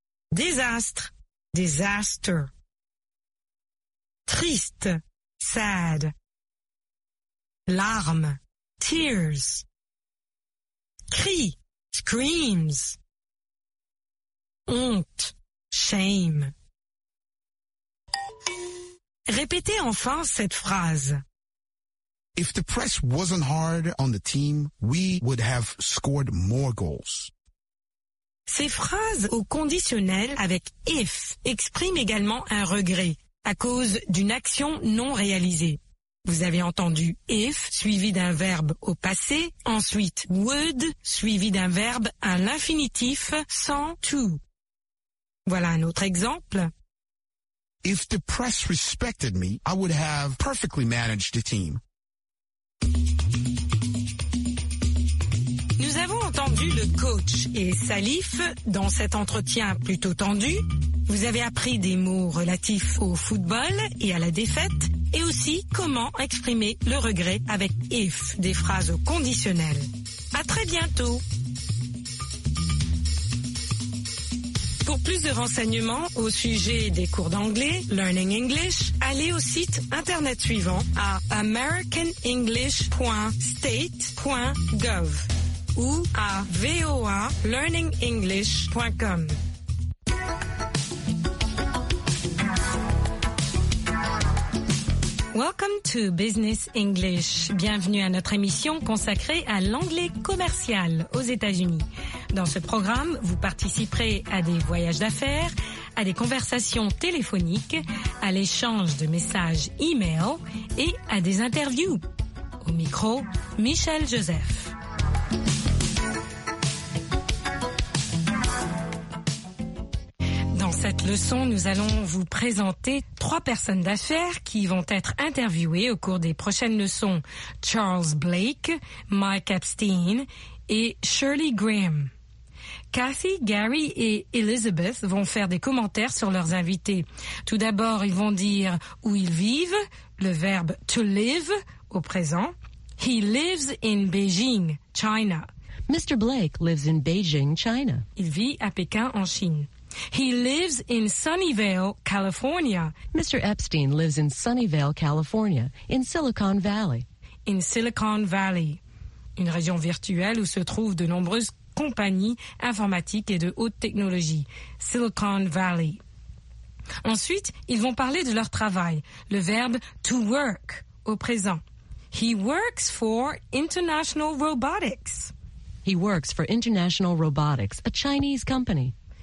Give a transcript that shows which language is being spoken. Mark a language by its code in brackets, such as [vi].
[fr] Désastre, disaster. Triste, sad. Larmes, tears. crie, screams. Honte, shame. Répétez enfin cette phrase. [en] If the press wasn't hard on the team, we would have scored more goals. [fr] Ces phrases au conditionnel avec if expriment également un regret à cause d'une action non réalisée. Vous avez entendu if suivi d'un verbe au passé, ensuite would suivi d'un verbe à l'infinitif sans to. Voilà un autre exemple. [en] If the press respected me, I would have perfectly managed the team. [fr] Nous avons entendu le coach et Salif dans cet entretien plutôt tendu. Vous avez appris des mots relatifs au football et à la défaite et aussi comment exprimer le regret avec if, des phrases conditionnelles. À très bientôt. Pour plus de renseignements au sujet des cours d'anglais, Learning English, allez au site internet suivant à americanenglish.state.gov ou à voalearningenglish.com. [en] Welcome to Business English. [fr] Bienvenue à notre émission consacrée à l'anglais commercial aux États-Unis. Dans ce programme, vous participerez à des voyages d'affaires, à des conversations téléphoniques, à l'échange de messages e-mail et à des interviews. Au micro, Michel Joseph. Dans cette leçon, nous allons vous présenter trois personnes d'affaires qui vont être interviewées au cours des prochaines leçons. Charles Blake, Mike Epstein et Shirley Graham. Kathy, Gary et Elizabeth vont faire des commentaires sur leurs invités. Tout d'abord, ils vont dire où ils vivent, le verbe to live au présent. [en] He lives in Beijing, China. Mr. Blake lives in Beijing, China. [fr] Il vit à Pékin, en Chine. [en] He lives in Sunnyvale, California. Mr. Epstein lives in Sunnyvale, California, in Silicon Valley. [fr] In Silicon Valley, une région virtuelle où se trouvent de nombreuses compagnies informatiques et de haute technologie. Silicon Valley. Ensuite, ils vont parler de leur travail. Le verbe to work au présent. [en] He works for International Robotics. He works for International Robotics, a Chinese company.